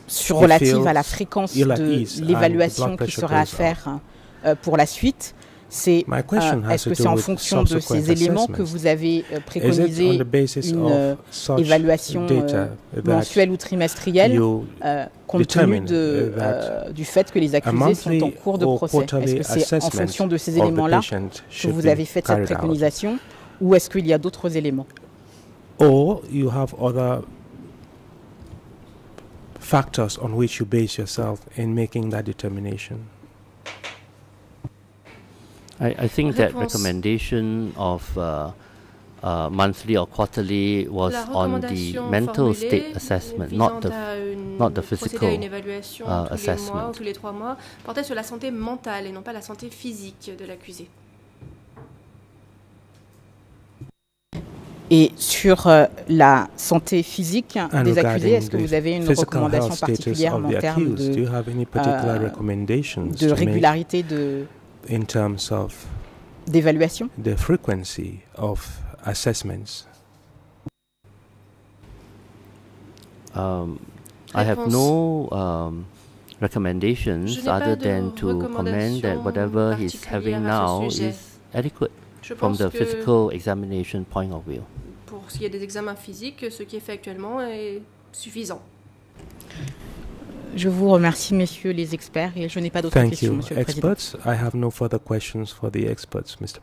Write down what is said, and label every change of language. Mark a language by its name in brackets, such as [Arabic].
[French] relative à la fréquence de l'évaluation qui sera à faire pour la suite, c'est est-ce que c'est en fonction de ces éléments que vous avez préconisé une évaluation mensuelle ou trimestrielle compte tenu du fait que les accusés sont en cours de procès? Est-ce que c'est en fonction de ces éléments-là que vous avez fait cette préconisation ou est-ce qu'il y a d'autres éléments? [English] Or you have other factors on which you base yourself in making that determination? I think that recommendation of monthly or quarterly was on the mental state assessment, not the physical assessment. [French] Tous les trois mois portait sur la santé mentale et non pas la santé physique de l'accusé. Et sur la santé physique des accusés, est-ce que vous avez une recommandation particulière en termes de régularité de [English] in terms of [French] d'évaluation, [English] the frequency of assessments? I have no recommendations other than to comment that whatever he's having now is adequate from the physical examination point of view. [French] Pour ce qui est des examens physiques, ce qui est fait actuellement est suffisant. Je vous remercie, messieurs les experts, et je n'ai pas d'autres questions, monsieur le [English] experts. [French] Président. [English] Thank you, experts. I have no further questions for the experts, Mr.